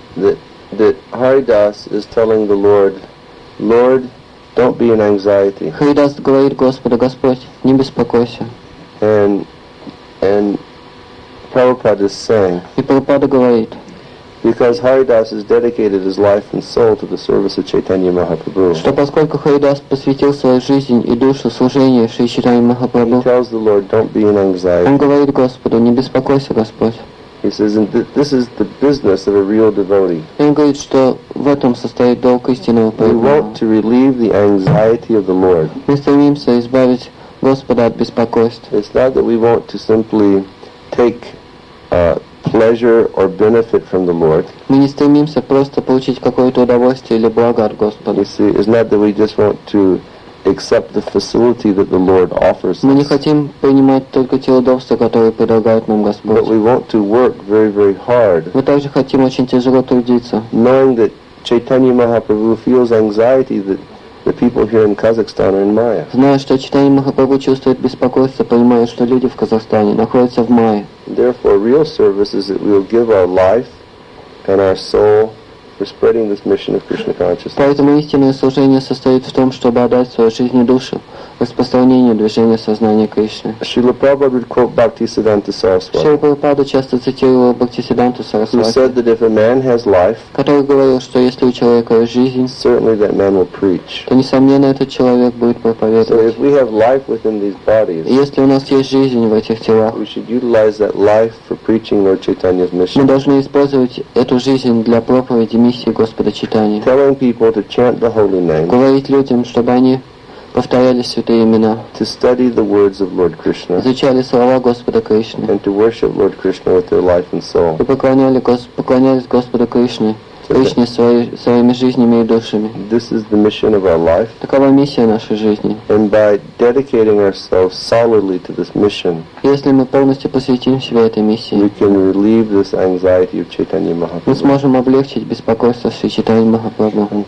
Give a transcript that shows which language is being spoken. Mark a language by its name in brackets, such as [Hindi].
[English] That Haridas is telling the Lord, Lord, don't be in anxiety. [Russian] Haridas говорит Господу, Господь, не беспокойся. [English] And Prabhupada is saying. [Russian] И Прабхупада говорит. [English] Because Haridas has dedicated his life and soul to the service of Chaitanya Mahaprabhu. [Russian] Что поскольку Харидас посвятил свою жизнь и душу служению Шри Чайтанье Махапрабху. [English] He tells the Lord, don't be in anxiety. [Russian] Он говорит Господу, не беспокойся, Господь. [English] He says, and this is the business of a real devotee. [Russian] Он говорит, что в этом состоит долг истинного преданного. [English] We want to relieve the anxiety of the Lord. [Russian] Мы стремимся избавить Господа от беспокойств. [English] It's not that we want to simply take pleasure or benefit from the Lord. [Russian] Мы не стремимся просто получить какое-то удовольствие или благо от Господа. [English] You see, it's not that we just want to accept the facility that the Lord offers us. [Russian] Мы не хотим принимать только те удобства, которые предлагает нам Господь. [English] But we want to work very, very hard. [Russian] Мы также хотим очень тяжело трудиться. [English] Knowing that Chaitanya Mahaprabhu feels anxiety that the people here in Kazakhstan are in Maya. [Russian] Зная, что Чайтанья Махапрабху чувствует беспокойство, понимая, что люди в Казахстане находятся в Майе. [English] Therefore, real service is that we will give our life and our soul for spreading this mission of Krishna consciousness. [Russian] Поэтому истинное служение состоит в том, чтобы отдать свою жизнь и душу распространению движения сознания Кришны. [English] Srila Prabhupada would quote Bhaktisiddhanta Saraswati. [Russian] Srila Prabhupada часто цитировал Бхактисиддханту Сарасвати. [English] Who said that if a man has life, [Russian] который говорил, что если у человека есть жизнь, [English] certainly that man will preach. [Russian] То несомненно этот человек будет проповедовать. [English] So if we have life within these bodies, [Russian] если у нас есть жизнь в этих телах, [English] we should utilize that life for preaching Lord Chaitanya's mission. [Russian] Мы должны использовать эту жизнь для проповеди миссии Господа Чайтаньи. [English] Telling people to chant the holy name. [Russian] Говорить людям, чтобы они повторяли святые имена. [English] To study the words of Lord Krishna. [Russian] Изучали слова Господа Кришны. [English] And to worship Lord Krishna with their life and soul. [Russian] И поклонялись Господу Кришне, Кришне своими жизнями и душами. [English] This is the mission of our life. [Russian] Такова миссия нашей жизни. [English] And by dedicating ourselves solidly to this mission. [Russian] Если мы полностью посвятим себя этой миссии. [English] We can relieve this anxiety of Chaitanya Mahaprabhu. [Russian] Мы сможем облегчить беспокойство Шри Чайтаньи Махапрабху.